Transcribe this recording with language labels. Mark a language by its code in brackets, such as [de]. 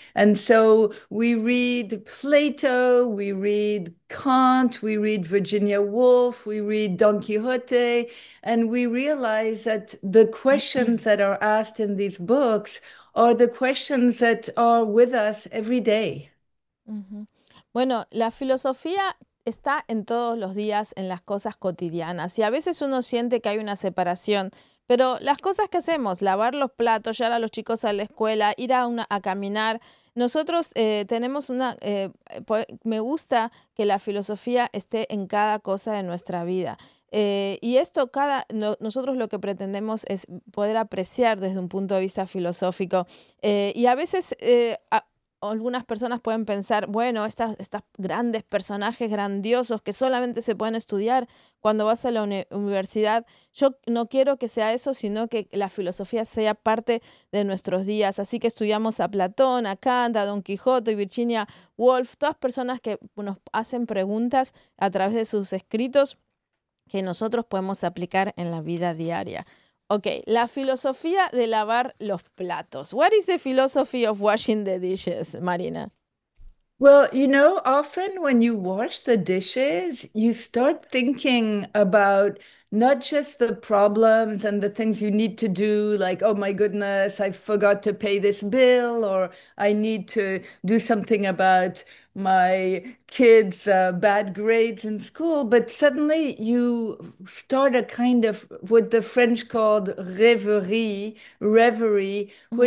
[en] And so we read Plato, we read Kant, we read Virginia Woolf, we read Don Quixote, and we realize that the questions that are asked in these books are the questions that are with us every day. Mm-hmm. [es] Bueno, la filosofía está en todos los días, en las cosas cotidianas. Y a veces uno siente que hay una separación. Pero las cosas que hacemos, lavar los platos, llevar a los chicos a la escuela, ir a caminar. Nosotros tenemos una... me gusta que la filosofía esté en cada cosa de nuestra vida. Y esto, nosotros lo que pretendemos es poder apreciar desde un punto de vista filosófico. Y a veces... algunas personas pueden pensar, bueno, estas grandes personajes grandiosos que solamente se pueden estudiar cuando vas a la universidad. Yo no quiero que sea eso, sino que la filosofía sea parte de nuestros días. Así que estudiamos a Platón, a Kant, a Don Quijote y Virginia Woolf, todas personas que nos hacen preguntas a través de sus escritos que nosotros podemos aplicar en la vida diaria. Okay, la filosofía de lavar los platos. [en] What is the philosophy of washing the dishes, Marina? Well, you know, often when you wash the dishes, you start thinking about not just the problems and the things you need to do, like, oh my goodness, I forgot to pay this bill, or I need to do something about my kids' bad grades in school, but suddenly you start a kind of what the French called reverie, mm-hmm.